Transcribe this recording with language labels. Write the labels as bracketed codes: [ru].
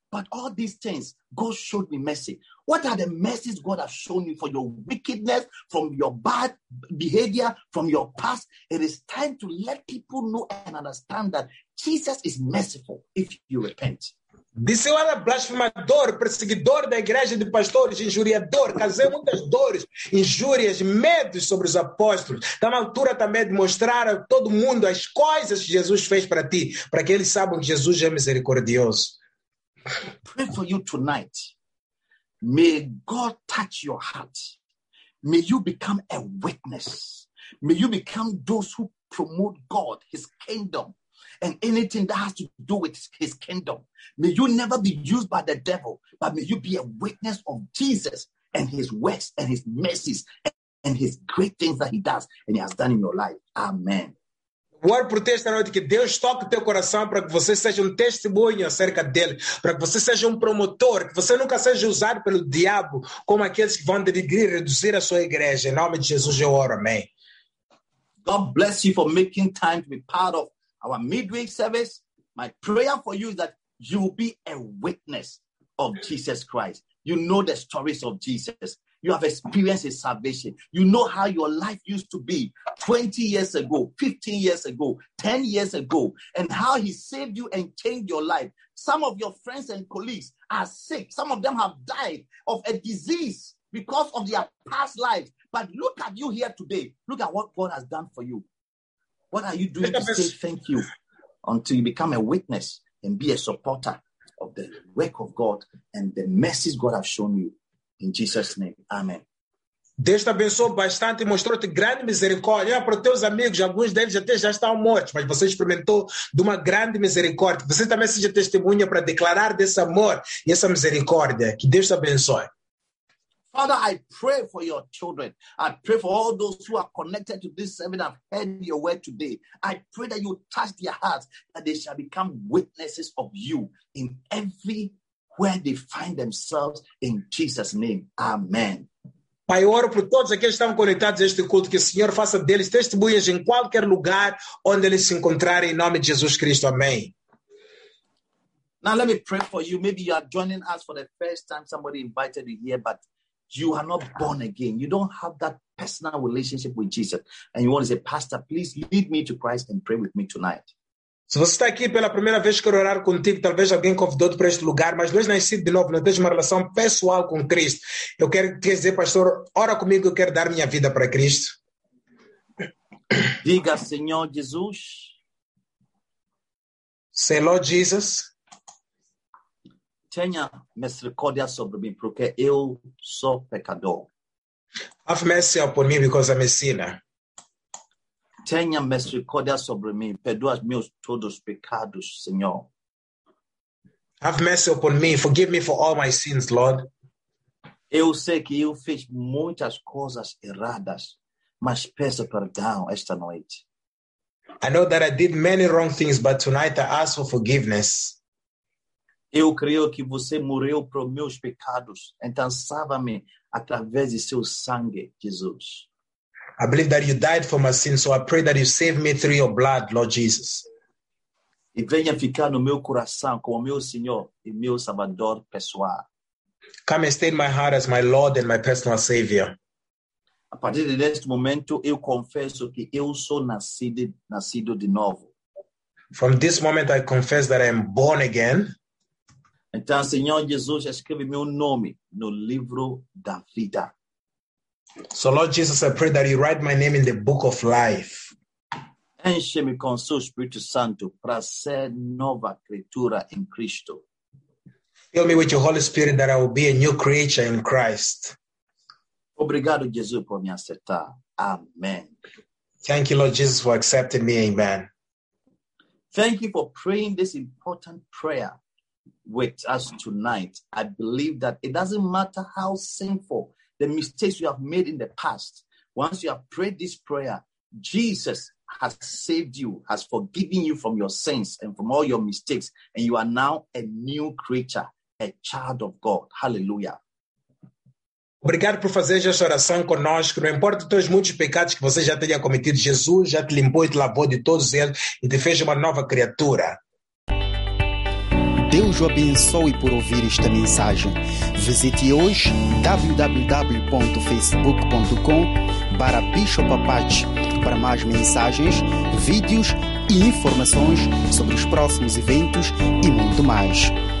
[en] But all these things, God showed me mercy. What are the mercies God has shown you for your wickedness, from your bad behavior, from your past? It is time to let people know and understand that Jesus is merciful if you repent. [pt] Disse eu era blasfemador, perseguidor da igreja de pastores, injuriador, causei muitas dores, injúrias, medos sobre os apóstolos. Está na altura também de mostrar a todo mundo as coisas que Jesus fez para ti, para que eles saibam que Jesus é misericordioso. [en] Pray for you tonight. May God touch your heart. May you become a witness. May you become those who promote God, his kingdom, and anything that has to do with his kingdom. May you never be used by the devil, but may you be a witness of Jesus and his works and his mercies and his great things that he does and he has done in your life. Amen. [pt] Oro por ti esta noite, que Deus toque o teu coração para que você seja um testemunho acerca dele, para que você seja um promotor, que você nunca seja usado pelo diabo como aqueles que vão denigrir, reduzir a sua igreja. Em nome de Jesus eu oro, amém. [en] God bless you for making time to be part of our midweek service. My prayer for you is that you will be a witness of Jesus Christ. You know the stories of Jesus. You have experienced his salvation. You know how your life used to be 20 years ago, 15 years ago, 10 years ago, and how he saved you and changed your life. Some of your friends and colleagues are sick. Some of them have died of a disease because of their past lives. But look at you here today. Look at what God has done for you. What are you doing to say thank you until you become a witness and be a supporter of the work of God and the mercies God has shown you? In Jesus' name, amen. [pt] Deus te abençoou bastante e mostrou-te grande misericórdia. Olha para os teus amigos, alguns deles até já estão mortos, mas você experimentou de uma grande misericórdia. Você também seja testemunha para declarar desse amor e essa misericórdia. Que Deus te abençoe. [en] Father, I pray for your children. I pray for all those who are connected to this sermon and heard your word today. I pray that you touch their hearts, that they shall become witnesses of you in every where they find themselves, in Jesus' name. Amen. [pt] Pai, eu oro por todos aqueles que estão conectados a este culto, que o Senhor faça deles testemunhas em qualquer lugar onde eles se encontrarem, em nome de Jesus Cristo. Amém. [en] Now let me pray for you. Maybe you are joining us for the first time. Somebody invited you here, but you are not born again. You don't have that personal relationship with Jesus. And you want to say, Pastor, please lead me to Christ and pray with me tonight. [pt] Se você está aqui pela primeira vez, quero orar contigo. Talvez alguém convidou-te para este lugar, mas não és nascido de novo, não tens uma relação pessoal com Cristo. Eu quero te dizer, pastor, ora comigo, eu quero dar minha vida para Cristo. Diga, Senhor Jesus. Senhor Jesus. Tenha misericórdia sobre mim, porque eu sou pecador. [en] Have mercy upon me, because I'm a sinner. [pt] Tenha misericórdia sobre mim, perdoa meus todos pecados, Senhor. [en] Have mercy upon me, forgive me for all my sins, Lord. [pt] Eu sei que eu fiz muitas coisas erradas, mas peço perdão esta noite. [en] I know that I did many wrong things, but tonight I ask for forgiveness. [pt] Eu creio que você morreu por meus pecados, então salva-me através de seu sangue, Jesus. [en] I believe that you died for my sins, so I pray that you save me through your blood, Lord Jesus. [pt] E venha ficar no meu coração como meu Senhor e meu Salvador pessoal. [en] Come and stay in my heart as my Lord and my personal Savior. [pt] A partir deste momento, eu confesso que eu sou nascido de novo. [en] From this moment, I confess that I am born again. [pt] Então, Senhor Jesus, escreve meu nome no livro da vida. [en] So, Lord Jesus, I pray that you write my name in the book of life. [pt] Enche-me com seu Espírito Santo para ser nova criatura em Cristo. [en] Fill me with your Holy Spirit that I will be a new creature in Christ. [pt] Obrigado, Jesus, por me aceitar. Amen. [en] Thank you, Lord Jesus, for accepting me. Amen. Thank you for praying this important prayer with us tonight. I believe that it doesn't matter how sinful the mistakes you have made in the past. Once you have prayed this prayer, Jesus has saved you, has forgiven you from your sins and from all your mistakes, and you are now a new creature, a child of God. Hallelujah. [pt] Obrigado por fazer essa oração conosco. Não importa os teus muitos pecados que você já tenha cometido, Jesus já te limpou e te lavou de todos eles e te fez uma nova criatura. Deus o abençoe por ouvir esta mensagem. Visite hoje www.facebook.com/bishopapache para mais mensagens, vídeos e informações sobre os próximos eventos e muito mais.